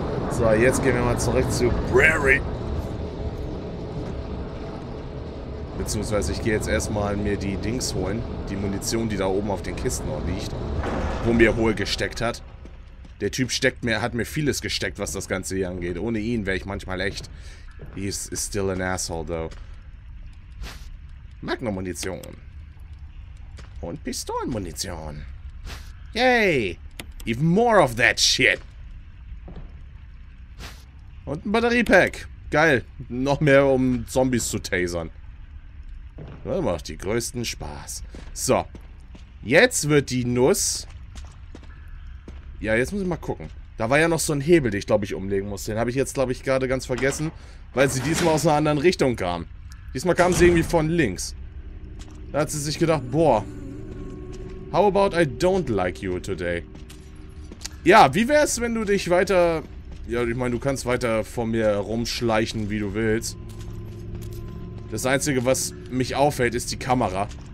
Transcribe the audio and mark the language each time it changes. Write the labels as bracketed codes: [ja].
[de] So, jetzt gehen wir mal zurück zu Brary. Beziehungsweise, ich gehe jetzt erstmal mir die Dings holen. Die Munition, die da oben auf den Kisten noch liegt. Wo mir Hohl gesteckt hat. Der Typ steckt mir, hat mir vieles gesteckt, was das Ganze hier angeht. Ohne ihn wäre ich manchmal echt... [en] He is still an asshole, though. [de] Magnum-Munition. Und Pistolenmunition. Yay! [en] Even more of that shit! [de] Und ein Batteriepack. Geil. Noch mehr, um Zombies zu tasern. Das macht die größten Spaß. So. Jetzt wird die Nuss... Ja, jetzt muss ich mal gucken. Da war ja noch so ein Hebel, den ich, glaube ich, umlegen musste. Den habe ich jetzt, glaube ich, gerade ganz vergessen, weil sie diesmal aus einer anderen Richtung kam. Diesmal kam sie irgendwie von links. Da hat sie sich gedacht, boah... [en] How about I don't like you today? [de] Ja, wie wär's, wenn du dich weiter... Ja, ich meine, du kannst weiter vor mir rumschleichen, wie du willst. Das Einzige, was mich auffällt, ist die Kamera.